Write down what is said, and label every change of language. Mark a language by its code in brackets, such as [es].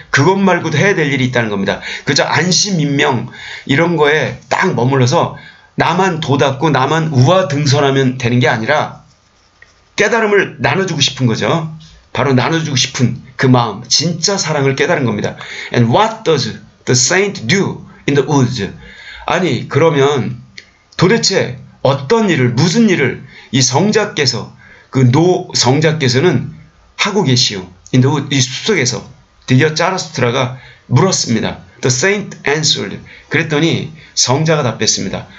[ko] 그것 말고도 해야 될 일이 있다는 겁니다. 그저 안심인명 이런 거에 딱 머물러서 나만 도닫고 나만 우아등선하면 되는 게 아니라 깨달음을 나눠주고 싶은 거죠. 바로 나눠주고 싶은 그 마음, 진짜 사랑을 깨달은 겁니다. [en] And what does the saint do in the woods? [ko] 아니, 그러면 도대체 어떤 일을, 무슨 일을 이 성자께서, 그 노 성자께서는 하고 계시오? [en] In the woods, [ko] 이 숲속에서. 드디어 자라스트라가 물었습니다. [en] The saint answered. [ko] 그랬더니 성자가 답했습니다.